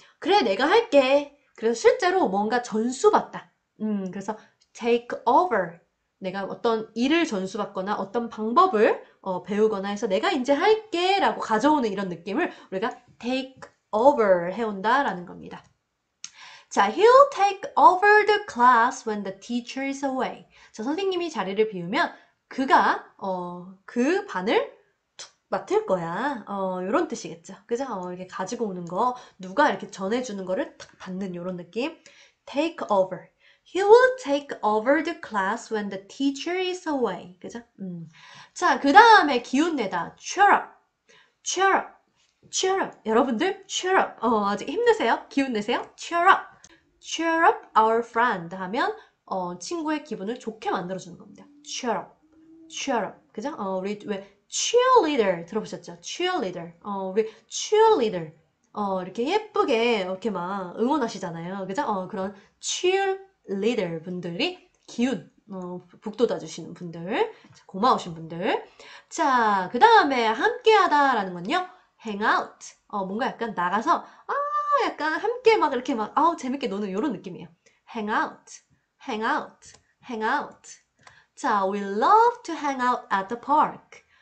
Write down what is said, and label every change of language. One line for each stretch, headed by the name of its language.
Korean: 그래, 내가 할게. 그래서 실제로 뭔가 전수받다. 그래서 take over. 내가 어떤 일을 전수받거나 어떤 방법을 배우거나 해서 내가 이제 할게 라고 가져오는 이런 느낌을 우리가 take over 해온다라는 겁니다.
English: 자, he'll take over the class when the teacher is away.
Korean: 자, 선생님이 자리를 비우면 그가 그 반을 맡을 거야. 요런 뜻이겠죠. 그죠? 이렇게 가지고 오는 거, 누가 이렇게 전해주는 거를 탁 받는 요런 느낌.
English: Take over. He will take over the class when the teacher is away.
Korean: 그죠? 자, 그 다음에 기운 내다.
English: Cheer up. Cheer up. Cheer up.
Korean: 여러분들, cheer up. 아직 힘내세요. 기운 내세요. Cheer up.
English: Cheer up our friend
Korean: 하면, 친구의 기분을 좋게 만들어주는 겁니다. Cheer up. Cheer up. 그죠? 우리 왜 cheerleader 들어보셨죠? cheerleader. 우리 cheerleader. 이렇게 예쁘게 이렇게 막 응원하시잖아요. 그죠? 그런 cheerleader 분들이 기운, 북돋아 주시는 분들. 고마우신 분들. 자, 그 다음에 함께하다라는 건요.
English: hang out.
Korean: 뭔가 약간 나가서, 약간 함께 막 이렇게 막, 재밌게 노는 이런 느낌이에요.
English: hang out. hang out. hang out. 자, we love to hang out at the park.